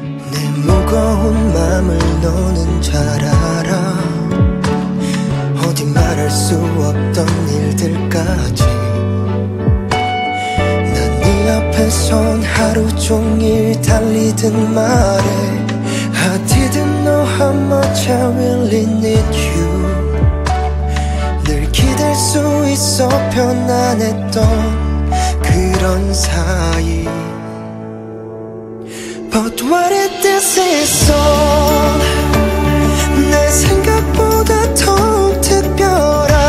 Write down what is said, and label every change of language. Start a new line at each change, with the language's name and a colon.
Korean: 내 무거운 맘을 너는 잘 알아. 어디 말할 수 없던 일들까지 난 네 앞에선 하루 종일 달리든 말해.
English: I didn't know how much I really need you.
Korean: 기댈 수 있어 편안했던 그런 사이.
English: But what if this is all?
Korean: 내 생각보다 더욱 특별해.